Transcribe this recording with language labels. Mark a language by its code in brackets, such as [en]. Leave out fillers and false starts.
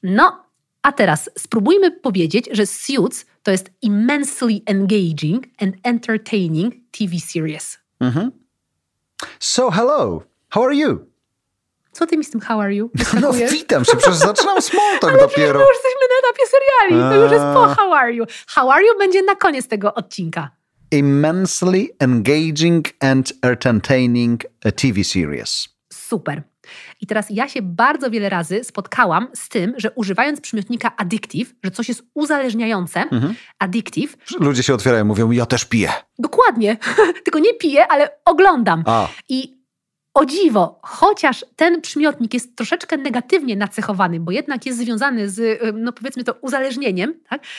[pl] No, a teraz spróbujmy powiedzieć, że Suits to jest [en] immensely engaging and entertaining TV series. Mm-hmm. So, hello. How are you? [pl] Co ty mi z tym [en] how are you? [pl] No, witam się, przecież zaczynam small talk dopiero. Ale już jesteśmy na etapie seriali. To już jest po [en] how are you. How are you [pl] będzie na koniec tego odcinka. [en] Immensely engaging and entertaining a TV series. [pl] Super. I teraz ja się bardzo wiele razy spotkałam z tym, że używając przymiotnika addictive, że coś jest uzależniające, addictive... Ludzie się otwierają, mówią, ja też piję. Dokładnie. Tylko nie piję, ale oglądam. A. I o dziwo, chociaż ten przymiotnik jest troszeczkę negatywnie nacechowany, bo jednak jest związany z, no powiedzmy to, uzależnieniem, tak?